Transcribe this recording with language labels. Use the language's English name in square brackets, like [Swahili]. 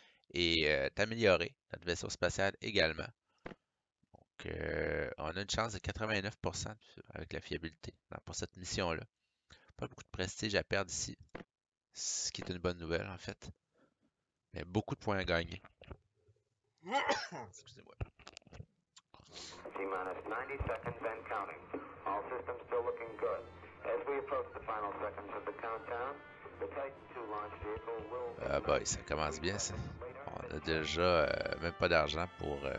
[French] Et d'améliorer notre vaisseau spatial également. Donc, on a une chance de 89% avec la fiabilité pour cette mission-là. Pas beaucoup de prestige à perdre ici. Ce qui est une bonne nouvelle, en fait. Mais beaucoup de points à gagner. Excusez-moi. [English] T-minus 90 seconds and counting. All systems still looking good. As we approach the final seconds of the countdown, the Titan 2 launch vehicle will... [French] Ah boy, ça commence bien, ça. On a déjà même pas d'argent pour...